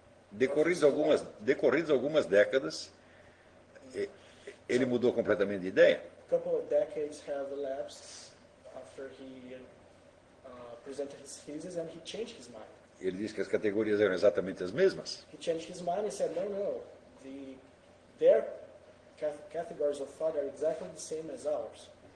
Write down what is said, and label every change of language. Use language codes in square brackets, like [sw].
[pt] Decorridas algumas décadas, ele mudou completamente de ideia. [en] A couple of decades have elapsed after he presented his thesis and he changed his mind. [pt] Ele disse que as categorias eram exatamente as mesmas. [en] He changed his mind and said, no, no, their categories of thought are exactly the same as ours.